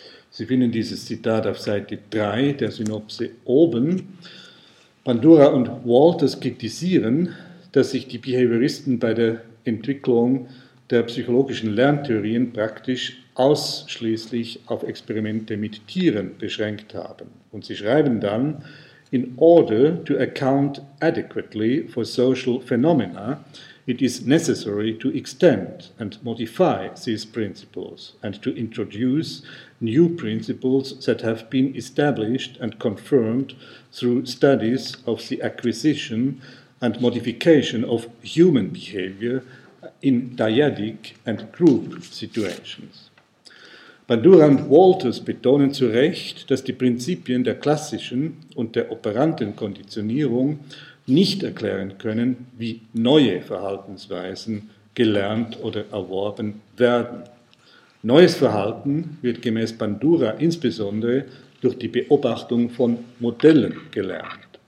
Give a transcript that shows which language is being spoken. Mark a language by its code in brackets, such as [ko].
[de] Sie finden dieses Zitat auf Seite 3 der Synopse oben, Bandura und Walters kritisieren, dass sich die Behavioristen bei der Entwicklung der psychologischen Lerntheorien praktisch ausschließlich auf Experimente mit Tieren beschränkt haben. Und sie schreiben dann, [en] in order to account adequately for social phenomena, it is necessary to extend and modify these principles and to introduce new principles that have been established and confirmed through studies of the acquisition and modification of human behavior in dyadic and group situations. [de] Bandura und Walters betonen zu Recht, dass die Prinzipien der klassischen und der operanten Konditionierung nicht erklären können, wie neue Verhaltensweisen gelernt oder erworben werden. Neues Verhalten wird gemäß Bandura insbesondere durch die Beobachtung von Modellen gelernt.